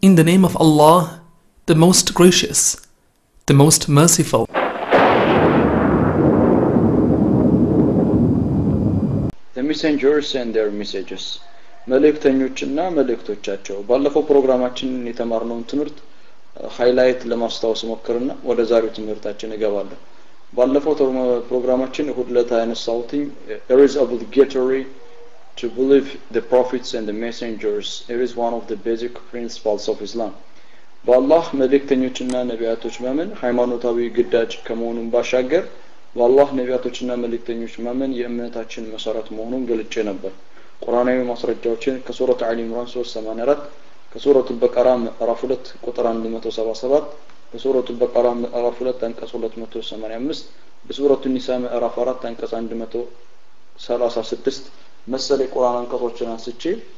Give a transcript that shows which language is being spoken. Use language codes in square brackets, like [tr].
[en] In the name of Allah, the Most Gracious, the Most Merciful. The messengers and their messages. [am] መልእክተኞችና መልእክቶቻቸው ባለፈው ፕሮግራማችን የተማርነውን ትምህርት ሃይላይት ለማስተዋወስ ሞክረና ወደ ዛሬው ትምህርታችን እገባለሁ። ባለፈው ፕሮግራማችን ሁለት አይነሳውቲን [en] there is obligatory to believe the prophets and the messengers. It is one of the basic principles of Islam. [am] በአላህ መልእክተኞችና ነቢያቶች ማመን ሃይማኖታዊ ግዳጅ ከመሆኑን ባሻገር በአላህ ነቢያቶችና መልእክተኞች ማመን የእምነታችን መሰረት መሆኑን ገልጬ ነበር። ቁርአናዊ ማስረጃዎችን ከሱረቱ አሊ ኢምራን 384 ከሱረቱ በቀራ ምዕራፍ 2 ቁጥር 177 ከሱረቱ በቀራ ምዕራፍ 2 አንቀጽ 285 በሱረቱ ኒሳ ምዕራፍ 4 አንቀጽ 136 መሰለ ቁርአን አንቀጾችን አስጭይ